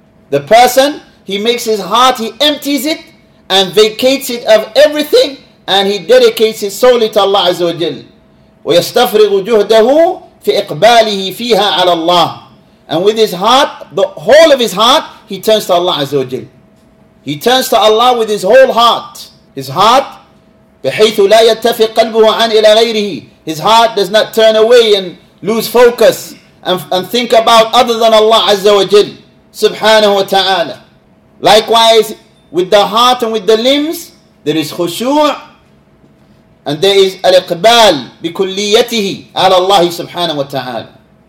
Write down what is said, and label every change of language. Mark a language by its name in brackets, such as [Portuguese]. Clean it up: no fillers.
[English] The person, he makes his heart, he empties it and vacates it of everything and he dedicates it solely to Allah Azza wa Jal. [Arabic] وَيَسْتَفْرِغُ جُهْدَهُ فِي إِقْبَالِهِ فِيهَا عَلَى اللَّهِ. [English] And with his heart, the whole of his heart, he turns to Allah Azza wa Jal. He turns to Allah with his whole heart. His heart, [Arabic] بِحَيْثُ لَا يَتَّفِقْ قَلْبُهُ عَنْ إِلَى غَيْرِهِ. [English] His heart does not turn away and lose focus and think about other than Allah Azza wa Jal, subhanahu wa ta'ala. Likewise, with the heart and with the limbs, there is khushu' and there is al-iqbal bi-kulliyatihi ala Allah subhanahu wa ta'ala.